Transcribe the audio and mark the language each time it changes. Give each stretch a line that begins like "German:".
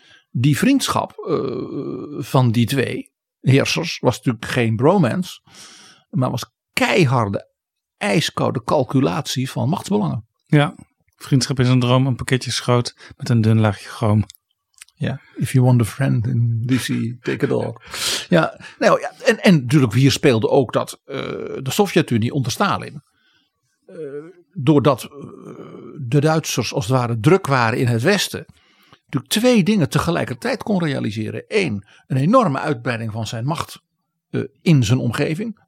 Dutch: Die vriendschap van die twee heersers was natuurlijk geen bromance, maar was keiharde, ijskoude calculatie van machtsbelangen. Ja, vriendschap is een droom, een pakketje schoot met een dun laagje chroom. Ja, yeah.
English: If you want a friend in DC, take it all.
Dutch: Ja, nou ja, en natuurlijk hier speelde ook dat de Sovjet-Unie onder Stalin, doordat de Duitsers als het ware druk waren in het Westen, natuurlijk twee dingen tegelijkertijd kon realiseren. Eén, een enorme uitbreiding van zijn macht in zijn omgeving.